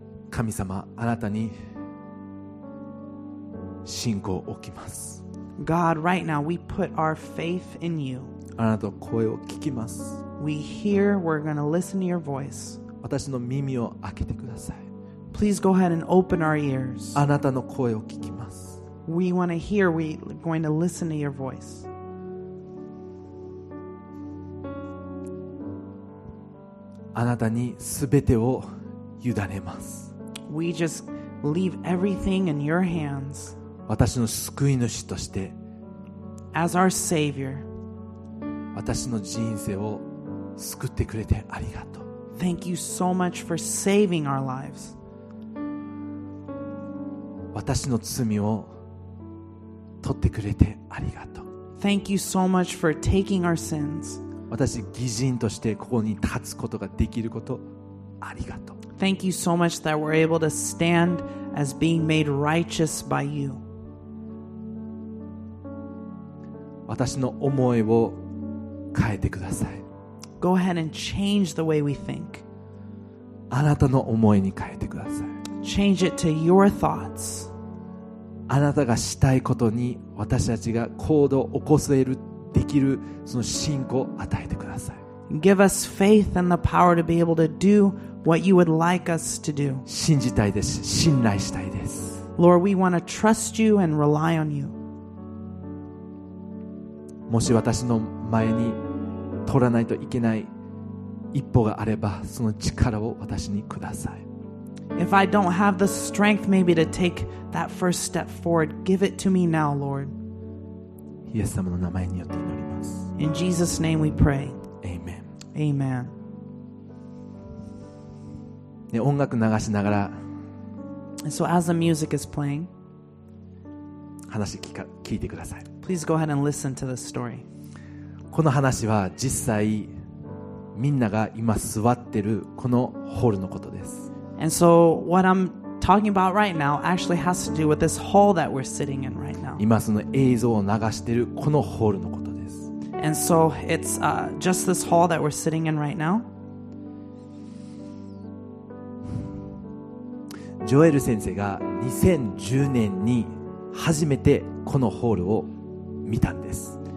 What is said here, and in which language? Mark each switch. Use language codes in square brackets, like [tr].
[ja] 神様、あなたに信仰を置きます。 [en] God, right now we put our faith in you. [ja] あなたの声を聞きます。 [en] We hear, we're going to listen to your voice. [ja] 私の耳を開けてください。 [en] Please go ahead and open our ears. [ja] あなたの声を聞きます。 [en] We want to hear, we're going to listen to your voice. [ja] あなたにすべてを委ねます。 [en] We just leave everything in your hands. [ja] 私の救い主として [en] As our Savior. [ja] 私の人生を救ってくれてありがとう。 [en] Thank you so much for saving our lives. [ja] 私の罪を取ってくれてありがとう。 [en] Thank you so much for taking our sins. [ja] 私、義人としてここに立つことができることありがとう。 [en] Thank you so much that we're able to stand as being made righteous by you. [ja] 私の思いを変えてください。 [en] Go ahead and change the way we think. [ja] あなたの思いに変えてください。 [en] Change it to your thoughts. [ja] あなたがしたいことに私たちが行動を起こせる、できるその信仰を与えてください。 [en] Give us faith and the power to be able to do what you would like us to do. [ja] 信じたいです。信頼したいです。 [en] Lord, we want to trust you and rely on you. [ja] もし私の前に取らないといけない一歩があれば、その力を私にください。 [en] If I don't have the strength maybe to take that first step forward, give it to me now, Lord. [ja] イエス様の名前によって祈ります。 [en] In Jesus' name we pray. Amen. Amen. [ja] ね、音楽流しながら、 [en] so as the music is playing, [ja] 話聞か、聞いてください。 [en] Please go ahead and listen to the story. [ja] この話は実際みんなが今座ってるこのホールのことです。 [en] And so what I'm talking about right now actually has to do with this hall that we're sitting in right now. [ja] 今その映像を流してるこのホールのことです。 [en] And so it's just this hall that we're sitting in right now. [ja] ジョエル先生が2010年に初めてこのホールを見たんです。